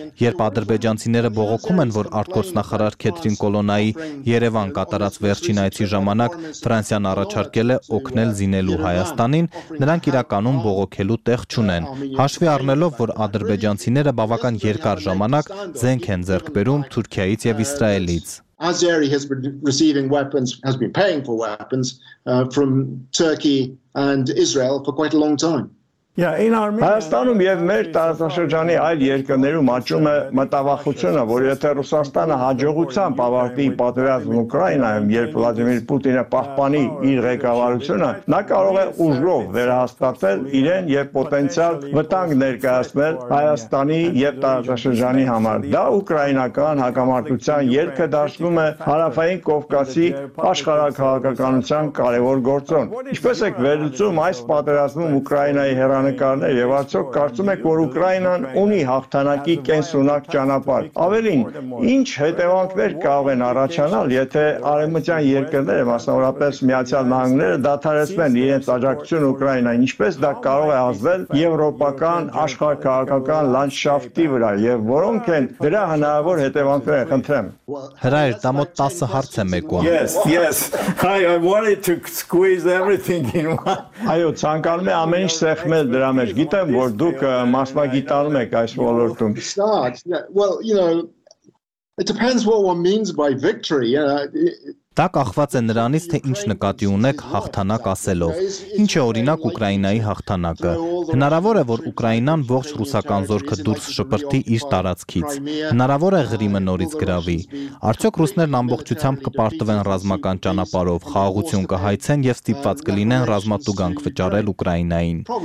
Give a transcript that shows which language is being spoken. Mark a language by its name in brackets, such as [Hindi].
[Armenian] երբ ադրբեջանցիները բողոքում են, որ արտգործնախարար Քեթրին Կոլոնայի Երևան կատարած վերջին այցի ժամանակ Ֆրանսիան առաջարկել է օգնել զինելու Հայաստանին, նրանք իրականում բողոքելու տեղ չունեն։ Հաշվի առնելով, որ ադրբեջանցիները բավական երկար ժամանակ զենք են ձեռք բերում Թուրքիայից եւ Իսրայելից. [English] Azeri has been receiving weapons, has been paying for weapons from Turkey and Israel for quite a long time. Yeah, in Armenia, [Armenian] Հայաստանում եւ մեր տարածաշրջանի այլ երկրներում աճում է մտավախությունը, որ եթե Ռուսաստանը հաջողությամբ ավարտի պատերազմը Ուկրաինայում, երբ Վլադիմիր Պուտինը պահպանի իր ղեկավարությունը, նա կարող է ուժով վերահաստատել իրեն եւ պոտենցիալ վտանգ ներկայացնել Հայաստանի եւ տարածաշրջանի համար։ Դա ուկրաինական հակամարտության երկը դարձնում է Հարավային Կովկասի աշխարհակահաղաղակականության կարևոր գործոն։ Ինչպես եք վերլուծում այս պատերազմը Ուկրաինայի հերոսներին լուսանկարներ եւ արդյոք կարծում եք, որ Ուկրաինան ունի հաղթանակի կենսունակ ճանապարհ։ Ավելին, ինչ հետևանքներ կարող են առաջանալ, եթե արևմտյան երկրները, մասնավորապես Միացյալ Նահանգները, դադարեցնեն իրենց աջակցություն Ուկրաինային, ինչպես դա կարող է ազդել եվրոպական աշխարհակահաղական լանդշաֆտի վրա եւ որոնք են դրա հնարավոր հետևանքները, խնդրեմ։ Հրայր, դա մոտ 10 հարց է մեկում։ [English] Yes. Hi, I wanted to squeeze everything in one. [Armenian] Այո, ցանկանում եմ ամեն ինչ սեղմել դրա մեջ։ Գիտեմ, որ դուք մասնագիտանում եք այս ոլորտում։ [English] Well, you know, it depends what one means by victory. [Armenian] Դա կախված է նրանից, թե ինչ նկատի ունեք հաղթանակ ասելով։ Ինչ է օրինակ Ուկրաինայի հաղթանակը։ Հնարավոր է, որ Ուկրաինան ողջ ռուսական զորքը դուրս շպրտի իր տարածքից։ Հնարավոր է Ղրիմը նորից գրավի։ Արդյոք ռուսներն ամբողջությամբ կպարտվեն ռազմական ճանապարհով, խաղաղություն կհայցեն եւ ստիպված կլինեն ռազմատուգանք վճարել Ուկրաինային։